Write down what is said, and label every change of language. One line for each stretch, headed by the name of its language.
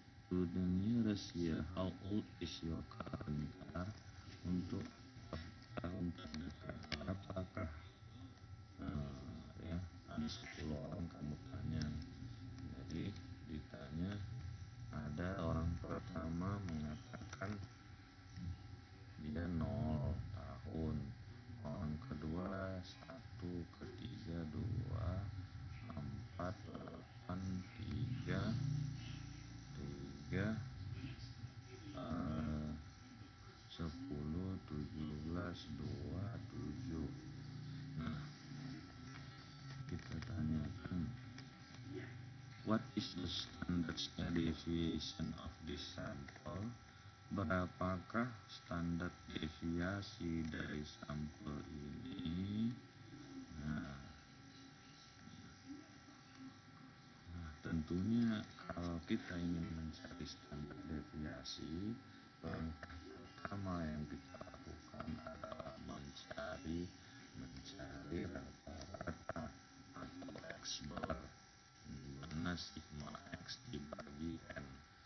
English: To the nearest year, how old is your current car?
Indonesian: Untuk tahun terdekat, apakah ya, ada 10 orang kamu tanya. Jadi ditanya, ada orang pertama mengatakan dia 0 tahun, orang kedua 1, ketiga 2, 4, 8, 3, 3, 10, 17, 2, 7. Nah, kita tanyakan,
English: what is the standard deviation of this sample?
Indonesian: Berapakah standar deviasi dari sampel ini? Nah, tentunya kalau kita ingin mencari standar deviasi, langkah pertama yang kita lakukan adalah mencari rata-rata atau x-bar, mana sigma x dibagi n.